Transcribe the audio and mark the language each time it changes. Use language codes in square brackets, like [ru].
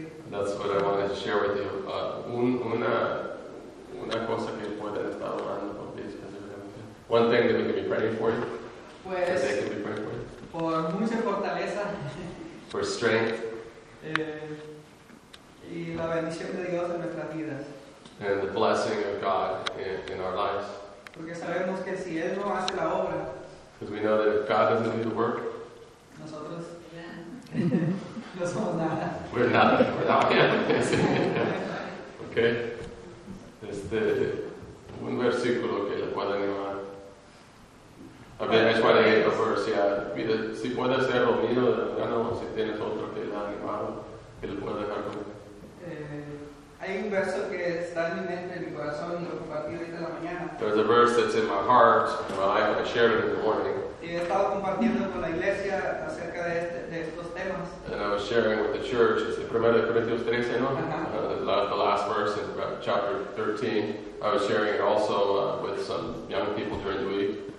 [en] That's what I wanted to share with you. [es] Una cosa que pueden estar orando por ti específicamente. [en] One thing that we can be praying for you. [es] Pues, [en] that they can be praying for you. [es] Por mucha fortaleza. [en] For strength. [es] Y la bendición de Dios en nuestras vidas. [en] And the blessing of God in our lives. [es] Porque sabemos que si él no hace la obra, [en] because we know that if God doesn't do the work, [es] nosotros no somos nada. [en] We're [es] nada. [en] We're not yeah. Okay. [es] Un versículo que le puede animar. A ver, es para ir a ver si mira, si puede ser lo mío de la mano, si tienes otro que le ha animado, que le puede dejar con él. Hay un verso que está en mi mente, en mi corazón, y lo compartí hoy de la mañana. [en] There's a verse that's in my heart, in my life, and I shared it in the morning. [es] Y he estado compartiendo con la iglesia acerca de, de estos temas. [en] And I was sharing with the church, it's 1 Corinthians 13, no? The last verse in chapter 13. I was sharing it also with some young people during the week.